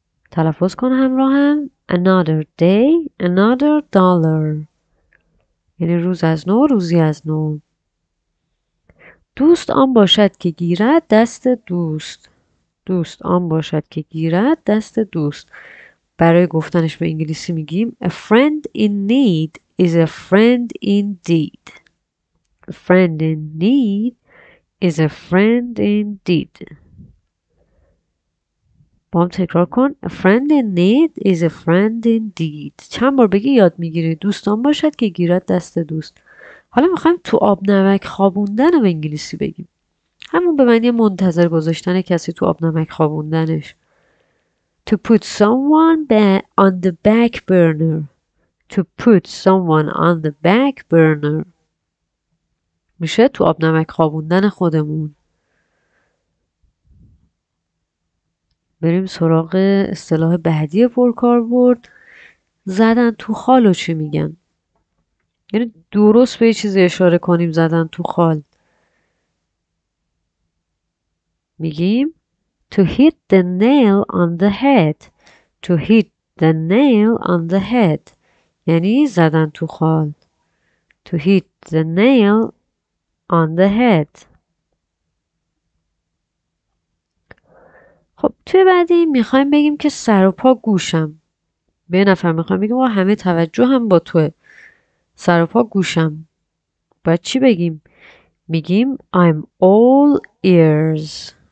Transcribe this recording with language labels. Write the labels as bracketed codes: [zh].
[fa] تلفظ کن همراهم. [en] Another day, another dollar. [fa] یعنی روز از نو، روزی از نو. دوست آن باشد که گیرد دست دوست. دوست آن باشد که گیرد دست دوست. برای گفتنش به انگلیسی میگیم [en] A friend in need is a friend indeed. A friend in need is a friend indeed. [fa] با هم تکرار کن. [en] A friend in need is a friend indeed. [fa] چند بار بگی یاد میگیری. دوست آن باشد که گیرد دست دوست. حالا میخوایم تو آب نمک خوابوندن رو به انگلیسی بگیم. همون به معنی منتظر گذاشتن کسی تو آب نمک خوابوندنش. [en] To put someone on the back burner. To put someone on the back burner. [fa] میشه تو آب نمک خوابوندن خودمون. بریم سراغ اصطلاح بعدی پرکاربرد. زدن تو خال رو چی میگن؟ یعنی درست به یه چیزی اشاره کنیم زدن تو خال. میگیم [en] To hit the nail on the head. To hit the nail on the head. [fa] یعنی زدن تو خال. [en] To hit the nail on the head. [fa] خب توی بعدی میخوایم بگیم که سر و پا گوشم. به نفر میخوایم بگیم همه توجه هم با توه. سر و پا گوشم. باید چی بگیم؟ میگیم [en] I'm all ears.